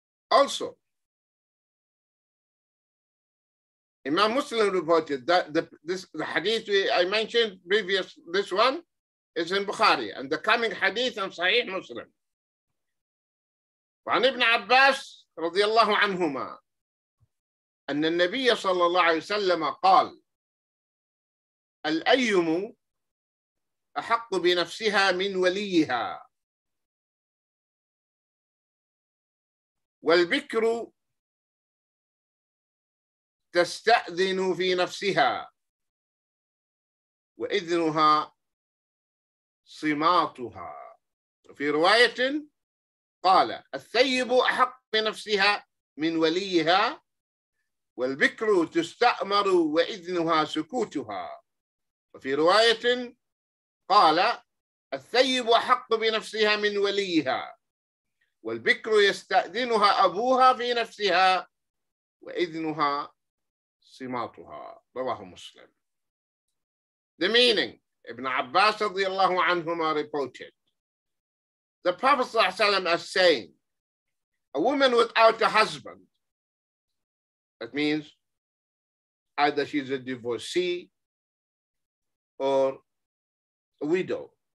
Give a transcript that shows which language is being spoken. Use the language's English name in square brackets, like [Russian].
[English] Also, Imam Muslim reported that the hadith I mentioned previous, this one is in Bukhari, and the coming hadith in Sahih Muslim. [Arabic] وعن ابن عباس رضي الله عنهما أن النبي صلى الله عليه وسلم قال الأيم أحق بنفسها من وليها والبكر تستأذن في نفسها وإذنها صماتها. في رواية قال الثيب أحق بنفسها من وليها والبكر تستأمر وإذنها سكوتها. وفي رواية قال الثيب أحق بنفسها من وليها والبكر يستأذنها أبوها في نفسها وإذنها صماتها. رواه مسلم. [English] The meaning, Ibn Abbas [Arabic] رضي الله عنهما [English] reported, the Prophet [Arabic] صلى الله عليه وسلم [English] is saying, a woman without a husband, that means either she's a divorcee or a widow.